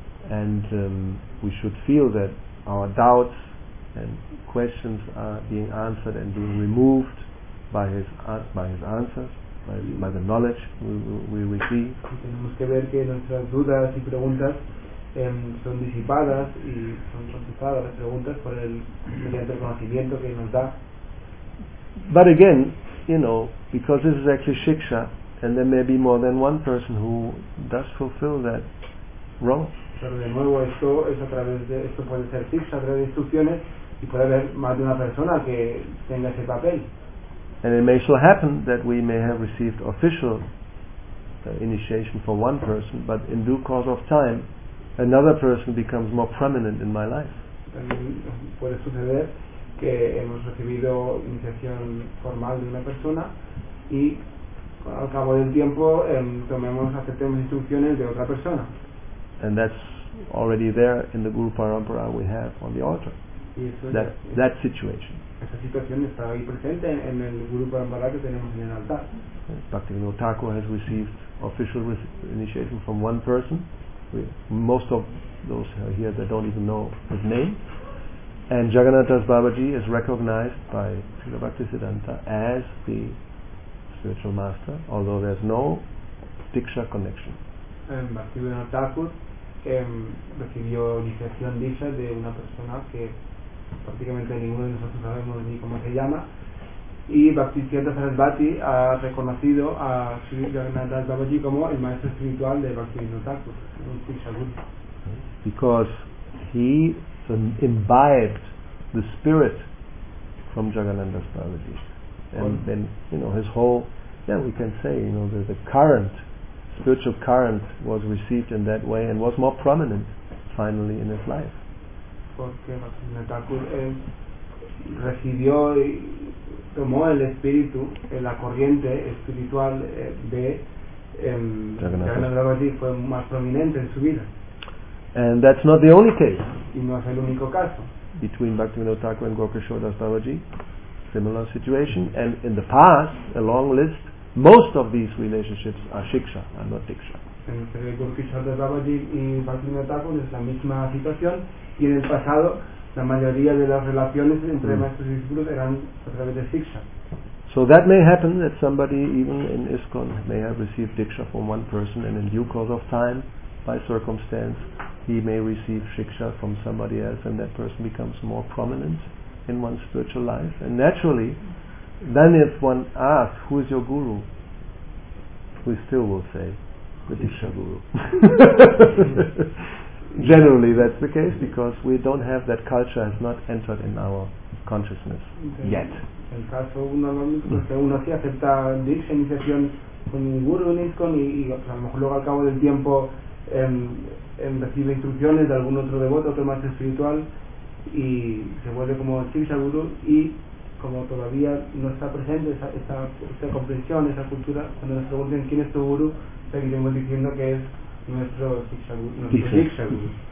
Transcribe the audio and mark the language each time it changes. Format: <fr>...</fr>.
<en>And we should feel that our doubts and questions are being answered and being removed by his answers. By the knowledge we see.</en> <es>Tenemos que ver que nuestras dudas y preguntas son disipadas y son contestadas las preguntas por el mediante el conocimiento que nos da.</es> <en>But again, you know, because this is actually shiksha, and there may be more than one person who does fulfill that role.</en> <es>Pero de nuevo esto es a través de esto puede ser shiksha a través de instrucciones y puede haber más de una persona que tenga ese papel.</es> <en>And it may so happen that we may have received official initiation for one person, but in due course of time, another person becomes more prominent in my life.</en> <es>también puede suceder que hemos recibido iniciación formal de una persona y al cabo del tiempo aceptemos instrucciones de otra persona.</es> <en>And that's already there in the Guru Parampara we have on the altar. That situation.</en> <es>Esa situación está ahí presente en el Guru Parampara que tenemos en el altar.</es> <en>Bhaktivinoda Thakur has received official initiation from one person. Most of those here that don't even know his name. And Jagannath Das Babaji is recognized by Srila Bhaktisiddhanta as the spiritual master, although there's no Diksha connection.</en> <es>Bhaktivinoda Thakur recibió iniciación Diksha de una persona que prácticamente ninguno de nosotros sabemos ni cómo se llama. Y Bhaktisiddhanta Sarasvati ha reconocido a Sri Jagannath Das Babaji como el maestro espiritual de Bhaktivinoda Thakur, un Diksha Guru.</es> <en>Because he imbibed the spirit from Jagannanda's Babaji. And then, you know, his whole, yeah, we can say, you know, the current, spiritual current was received in that way and was more prominent finally in his life.</en> <es>Porque Natakur recibió y tomó el espíritu, la corriente espiritual de Jagannanda Babaji fue más prominente en su vida.</es> <en>And that's not the only case.</en> <es>Y no es el único caso.</es> <en>Between Bhaktivinoda Thakur and Gaurakishore Das Babaji, similar situation. And in the past, a long list, most of these relationships are shiksha and not diksha.</en> <es>Entre Gaurakishore Das Babaji y Bhaktivinoda Thakur es la misma situación. Y en el pasado, la mayoría de las relaciones entre maestros y discípulos eran a través de shiksha.</es> <en>So that may happen that somebody even in ISKCON may have received diksha from one person and in due course of time, by circumstance, he may receive shiksha from somebody else and that person becomes more prominent in one's spiritual life. And naturally, then if one asks, who is your guru? We still will say, the Diksha Guru. Generally that's the case because we don't have that culture, has not entered in our consciousness yet.</en> <es>El caso uno sí acepta Diksha, iniciación con un guru en ISKCON y a lo mejor luego al cabo del tiempo recibe instrucciones de algún otro devoto, otro maestro espiritual y se vuelve como Shiksha Guru y como todavía no está presente esa comprensión, esa cultura, cuando nos pregunten quién es tu guru, seguiremos diciendo que es nuestro Shiksha Guru.</es>